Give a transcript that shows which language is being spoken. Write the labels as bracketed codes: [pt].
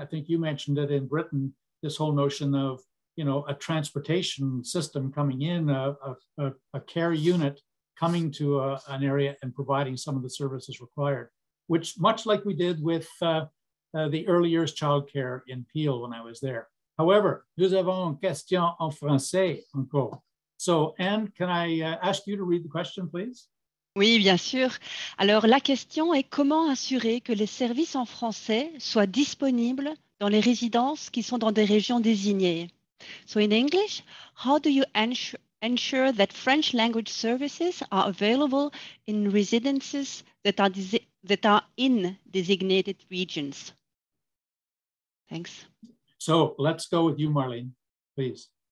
[en] I think you mentioned it in Britain, this whole notion of, you know, a transportation system coming in, a care unit coming to an area and providing some of the services required, which much like we did with the early years childcare in Peel when I was there. However, [fr] nous avons une question en français encore. [en] So Anne, can I ask you to read the question, please? [fr] Oui, bien sûr. Alors la question est comment assurer que les services en français soient disponibles dans les résidences qui sont dans des régions désignées? [en] So in English, how do you ensure that French language services are available in residences that are in designated regions? Thanks. So let's go with you, Marlene, please.